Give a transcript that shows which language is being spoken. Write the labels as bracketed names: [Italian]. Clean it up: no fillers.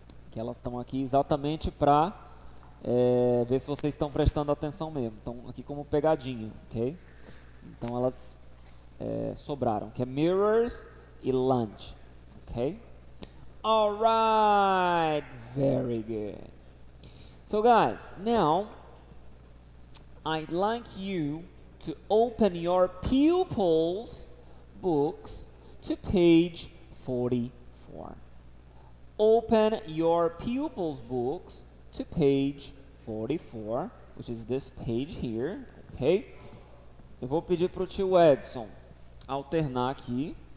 [Portuguese] Que elas estão aqui exatamente para ver se vocês estão prestando atenção mesmo. Estão aqui como pegadinha, ok? Então, elas sobraram, que é mirrors e lunch, ok? [English] Alright, very good. So, guys, now, I'd like you to open your pupils books to page 44. Open your pupils books to page 44, which is this page here, okay? [Portuguese] Eu vou pedir pro tio Edson alternar aqui.